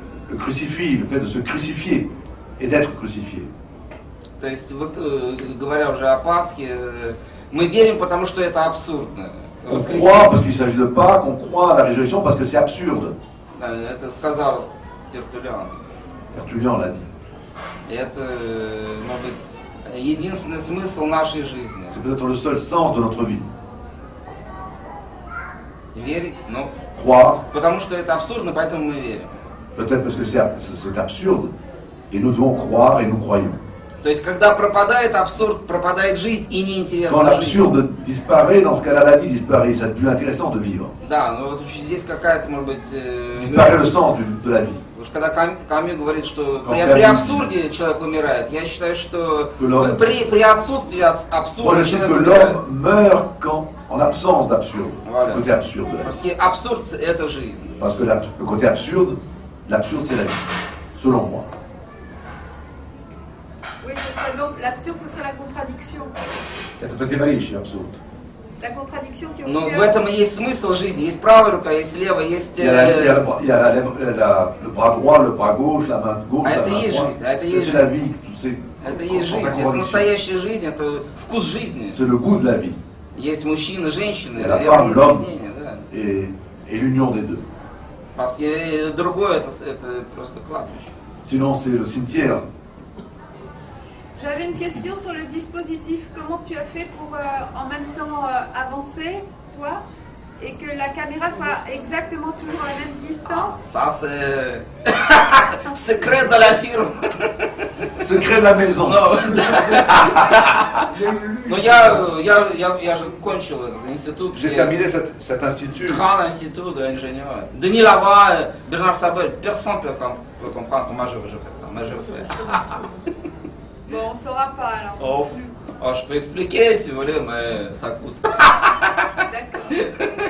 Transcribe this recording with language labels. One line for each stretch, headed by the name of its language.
French: Le crucifix, le fait de se crucifier et d'être crucifié.
Russian: То есть, говоря уже о Пасхе, мы верим, потому что это абсурдно.
French: On croit parce qu'il s'agit de Pâques, on croit à la résurrection parce que c'est absurde.
Russian: Это сказал Тертуллиан.
French: Тертуллиан l'a dit.
Russian: Это, может быть, единственный смысл нашей жизни.
French: C'est peut-être le seul sens de notre vie.
Russian: Верить, но...
French: Croire.
Russian: Потому что это абсурдно, поэтому мы верим.
French: Peut-être parce que c'est absurde, et nous devons croire et nous croyons.
Russian: То есть, когда пропадает абсурд, пропадает жизнь и неинтересно жить.
French: Quand l'absurde disparaît, dans ce cas-là, la vie disparaît, ça devient intéressant de vivre.
Russian: Да, ну вот здесь какая-то, может быть...
French: Disparaît le sens de la vie.
Russian: Потому что когда Камю говорит, что при абсурде человек умирает, я считаю, что при отсутствии абсурда человек умирает.
French: Moi, je sais que l'homme meurt quand... En absence d'absurde, voilà. Le côté absurde. Parce que absurde, c'est la vie. Parce que le côté absurde, l'absurde, c'est la vie, selon moi. Oui, ce serait donc l'absurde, ce serait la contradiction. Et tu peux t'évaluer chez l'absurde. La contradiction qui.
Russian: Non, в этом есть смысл жизни. Есть правая рука, есть левая, есть.
French: Il y a le bras droit, le bras gauche, la main gauche, la main droite. C'est la vie, tu sais.
Russian: Это настоящая жизнь, это вкус жизни.
French: C'est le goût de la vie.
Russian: Есть мужчина, женщина, и это соединение, да. И
French: l'union des deux. Parce que
Russian: другое это просто кладбище.
French: Sinon c'est le cimetière. J'avais une question sur le dispositif. Comment tu as fait pour en même temps avancer, toi, et que la caméra soit exactement toujours à la même distance? Ça c'est secret de la firme. Secret de la maison.
Russian: Но я же кончил этот институт.
French: J'ai terminé cet institut. Grand institut d'ingénieur. Denis Laval, Bernard Sabat, personne peut comprendre comment je fais ça. Mais je fais. Bon, on ne saura pas alors. Oh, je peux expliquer si vous voulez, mais ça coûte. D'accord.